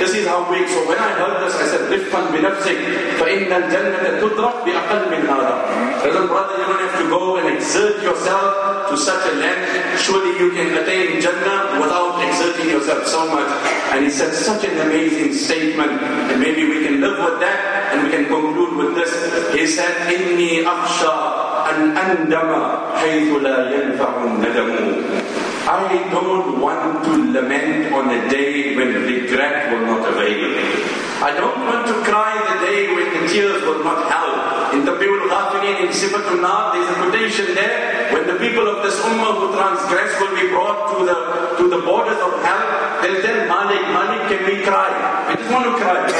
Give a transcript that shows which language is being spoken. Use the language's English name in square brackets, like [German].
[English] This is how weak. So when I heard this, I said, Rifan bin Afsik, [Arabic] فَإِنَّ الْجَنَّةَ تُدْرَقْ بِأَقَلْ مِنْ هَذَا. [English] Brother, brother, you don't have to go and exert yourself to such a length. Surely you can attain Jannah without exerting yourself so much. And he said such an amazing statement, and maybe we can live with that, and we can conclude with this. He said, [Arabic] إِنِّي أَخْشَى أَنْ أَنْدَمَ حَيْثُ لَا يَنْفَعُ النَّدَمُ. [English] I don't want to lament on a day when regret will not avail me. I don't want to cry the day when the tears will not help. In the Tabi'ul Ghafirin, in Sifatul Nar, there's a quotation there, when the people of this ummah who transgress will be brought to the borders of hell, they'll tell Malik, can we cry? We just want to cry.